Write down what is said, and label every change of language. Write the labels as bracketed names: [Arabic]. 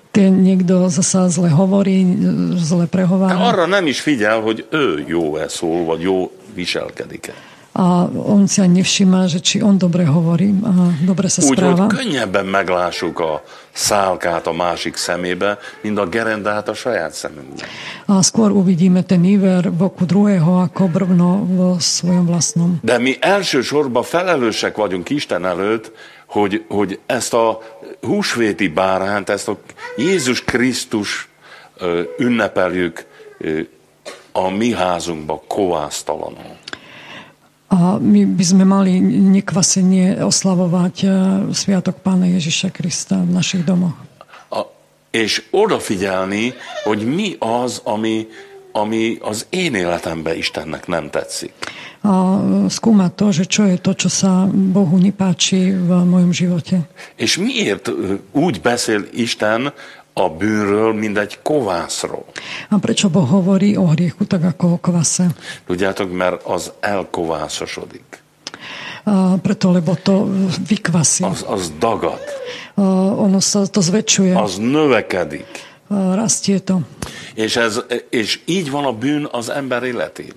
[Slovak] Ten niekto zasa zle hovorí, zle prehovára. [Hungarian] Arra nem is figyel, hogy ő jó-e szól, vagy jó viselkedik-e. [Slovak] A on si ani nevšíma, že či on dobre hovorí a dobre sa správa. [Hungarian] Úgyhogy könnyebben meglássuk a szálkát a másik szemébe, mint a gerendát a saját szemünkben. [Slovak] A skôr uvidíme ten iver v oku druhého ako brvno v svojom vlastnom. [Hungarian] De mi elsősorban felelősek vagyunk Isten előtt, hogy ezt a húsvéti bárhánt, ezt a Jézus Krisztus ünnepeljük a mi házunkba kovásztalanul. [Slovak] A my by sme mali nekvasenie oslavovať sviatok Pána Ježiša Krista v našich domoch. [Hungarian] A és odafigyelni, hogy mi az, ami az én életembe Istennek nem tetszik. [Slovak] A skúmať to, že čo je to, čo sa Bohu nepáči v mojom živote. [Hungarian] És miért úgy beszél Isten a bűnről, mint egy kovászról. [Slovak] A prečo Boh hovorí o hriechu tak ako o kvase? [Hungarian] Tudjátok, mert az elkovászosodik. [Slovak] A preto, lebo to vykvasí. [Hungarian] Az dagad. [Slovak] A ono sa to zväčšuje. [Hungarian] Az növekedik. [Slovak] A rastie to. [Hungarian] És így van a bűn az ember életében.